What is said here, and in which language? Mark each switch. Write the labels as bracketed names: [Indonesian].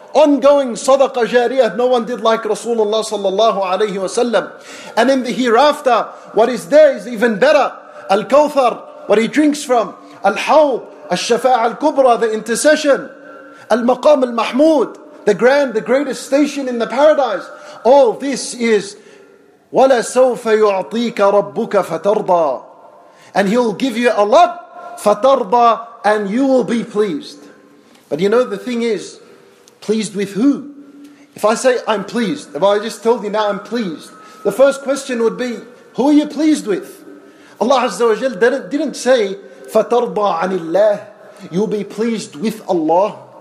[English] Ongoing sadaqah jariyah, no one did like Rasulullah sallallahu alayhi wa sallam. And in the hereafter, what is there is even better. Al-Kawthar, what he drinks from. Al-Hawd, Al-Shafa'a al-Kubra, the intercession. Al-Maqam al-Mahmud, the grand, the greatest station in the paradise. All this is [Arabic] وَلَا سَوْفَ يُعْطِيكَ رَبُّكَ فَتَرْضَى. [English] And he'll give you a lot, فَتَرْضَى, and you will be pleased. But you know the thing is, pleased with who? If I say I'm pleased, if I just told you now I'm pleased, the first question would be, who are you pleased with? Allah Azza wa Jal didn't say, [Arabic] فَتَرْضَى عَنِ اللَّهِ, [English] you'll be pleased with Allah.